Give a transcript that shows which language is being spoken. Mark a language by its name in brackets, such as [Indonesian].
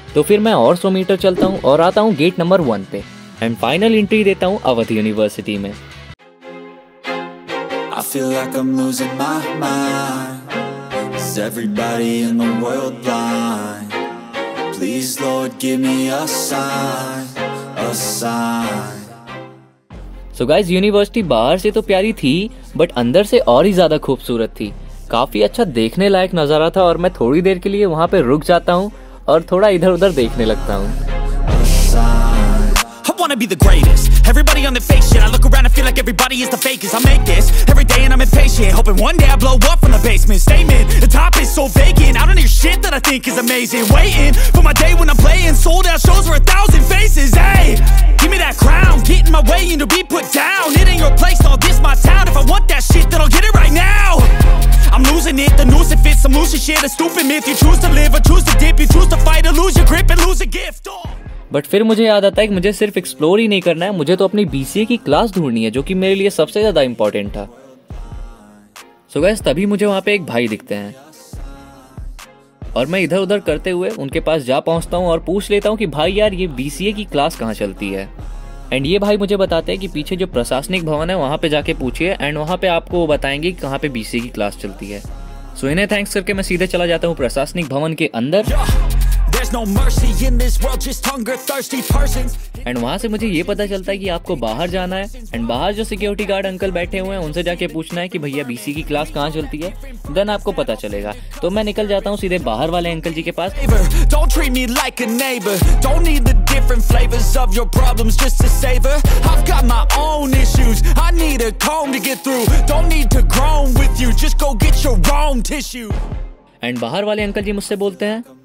[Hindi] तो फिर मैं और 100 मीटर चलता हूँ और आता हूँ गेट नंबर 1 पे एंड फाइनल एंट्री देता हूँ अवध यूनिवर्सिटी में। सो गाइज, यूनिवर्सिटी बाहर से तो प्यारी थी बट अंदर से और ही ज्यादा खूबसूरत थी। काफी अच्छा देखने लायक नजारा था और मैं थोड़ी देर के लिए वहां पे रुक जाता हूँ और थोड़ा इधर उधर देखने लगता हूँ। [English] Wanna be the greatest. Everybody on the fake shit. I look around and feel like everybody is the fakest. I make this every day and I'm impatient, hoping one day I blow up from the basement. Statement: the top is so vacant. I don't hear shit that I think is amazing. Waiting for my day when I'm playing sold out shows for 1,000 faces. Hey, give me that crown. Get in my way and you'll be put down. It ain't your place, no, this my town. If I want that shit, then I'll get it right now. I'm losing it. The noose it fits some loose shit. A stupid myth. You choose to live or choose to dip. You choose to fight or lose your grip and lose a gift. [Hindi] But फिर मुझे याद आता है कि मुझे सिर्फ explore ही नहीं करना है, मुझे तो अपनी BCA की क्लास ढूंढनी है, जो कि मेरे लिए सबसे ज़्यादा इम्पोर्टेंट था। सो गाइस, तभी मुझे वहाँ पे एक भाई दिखते हैं और मैं इधर उधर करते हुए उनके पास जा पहुँचता हूँ और पूछ लेता हूँ कि भाई यार, ये BCA की क्लास कहाँ चलती है? एंड ये भाई मुझे बताते हैं कि पीछे जो प्रशासनिक भवन है वहाँ पे जाके पूछिए एंड वहाँ पे आपको वो बताएंगे कि कहाँ पे BCA की क्लास चलती है। सो इन्हें थैंक्स करके मैं सीधे चला जाता हूँ प्रशासनिक भवन के अंदर। [English] There's no mercy in this world, just hunger-thirsty persons. [Hindi] And वहाँ से मुझे ये पता चलता है कि आपको बाहर जाना है एंड बाहर जो सिक्योरिटी गार्ड अंकल बैठे हुए हैं उनसे जाके पूछना है कि भैया BCA की क्लास कहाँ चलती है, देन आपको पता चलेगा। तो मैं निकल जाता हूँ सीधे बाहर वाले अंकल जी के पास। [English] Don't treat me like a neighbor. Don't need the different flavors of your problems just to savor. I've got my own issues. I need a comb to get through. Don't need to groan with you. Just go get your wrong tissue. [Hindi] And बाहर वाले uncle जी मुझसे बोलते हैं,